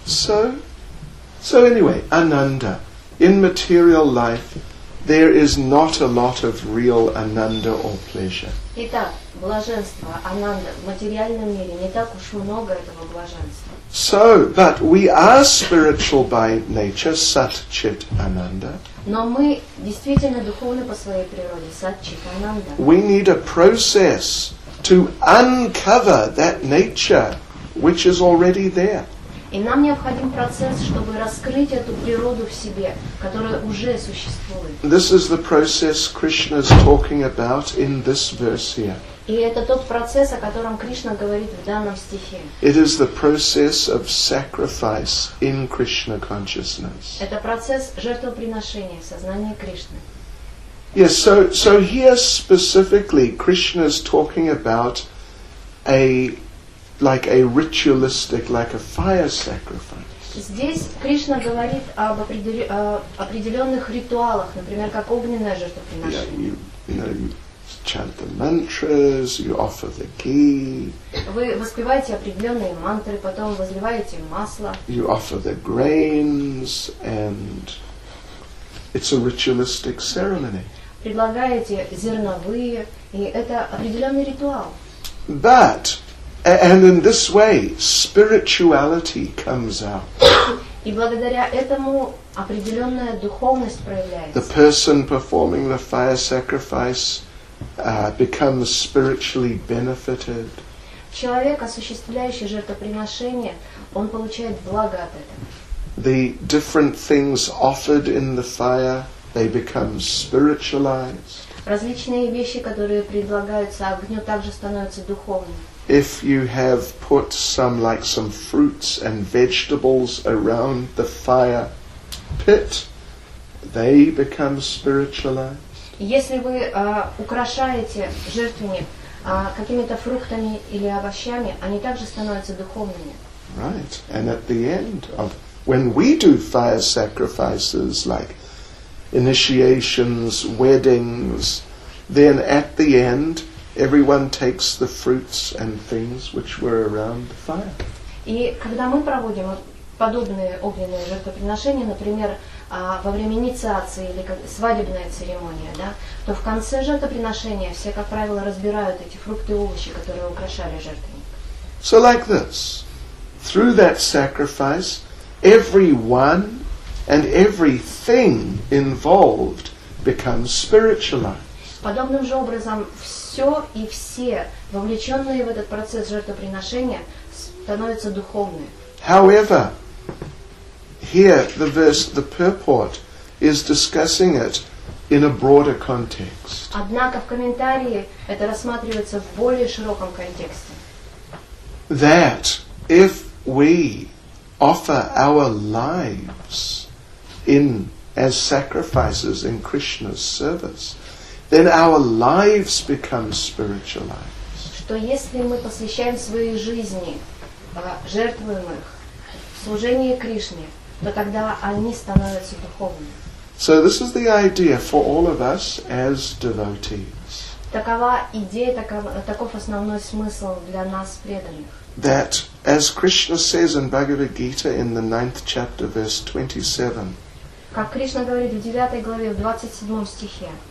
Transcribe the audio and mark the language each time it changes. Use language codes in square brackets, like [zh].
[en] So anyway, Ananda, in material life, there is not a lot of real Ananda or pleasure. [ru] Итак, блаженство, Ананда, в материальном мире не так уж много этого блаженства. [en] So, but we are spiritual by nature, Sat-Chit Ananda. [ru] Но мы действительно духовны по своей природе, Сат-Чит Ананда. [en] We need a process to uncover that nature which is already there. [ru] И нам необходим процесс, чтобы раскрыть эту природу в себе, которая уже существует. [en] This is the process Krishna is talking about in this verse here. [ru] И это тот процесс, о котором Кришна говорит в данном стихе. [en] It is the process of sacrifice in Krishna consciousness. [ru] Это процесс жертвоприношения в сознании Кришны. [en] Yes, so here specifically Krishna is talking about a ritualistic, like a fire sacrifice. [ru] Здесь Кришна говорит об определенных ритуалах, например, как огненное жертвоприношение. [en] Chant the mantras, you offer the ghee. [ru] Вы воспеваете определенные мантры, потом возливаете масло. [en] You offer the grains, and it's a ritualistic ceremony. [ru] Предлагаете зерновые, и это определенный ритуал. [en] But, and in this way, spirituality comes out. [ru] И благодаря этому определенная духовность проявляется. [en] The person performing the fire sacrifice becomes spiritually benefited. [ru] Человек, осуществляющий жертвоприношение, он получает благо от этого. [en] The different things offered in the fire, they become spiritualized. [ru] Различные вещи, которые предлагаются огню, также становятся духовными. [en] If you have put some fruits and vegetables around the fire pit, they become spiritualized. [ru] Если вы украшаете жертвенник какими-то фруктами или овощами, они также становятся духовными. [en] Right. And at the end of when we do fire sacrifices like initiations, weddings, then at the end everyone takes the fruits and things which were around the fire. [ru] И когда мы проводим подобные огненные жертвоприношения, например, во время инициации или свадебная церемония, да, то в конце жертвоприношения все, как правило, разбирают эти фрукты и овощи, которые украшали жертвенник. [en] So like this, through that sacrifice, everyone and everything involved becomes spiritualized. [ru] Подобным же образом все и все, вовлеченные в этот процесс жертвоприношения, становятся духовными. [en] However, here the verse, the purport, is discussing it in a broader context. [ru] Однако в комментарии это рассматривается в более широком контексте. [en] That if we offer our lives in as sacrifices in Krishna's service, then our lives become spiritualized. [ru] Что если мы посвящаем свои жизни, жертвуем их в служении Кришне, то тогда они становятся духовными. [en] So this is the idea for all of us as devotees. [ru] Такова идея, таков основной смысл для нас преданных. [en] That, as Krishna says in Bhagavad Gita in the 9th chapter, verse 27. [ru] Как Кришна говорит в 9 главе, в 27 стихе.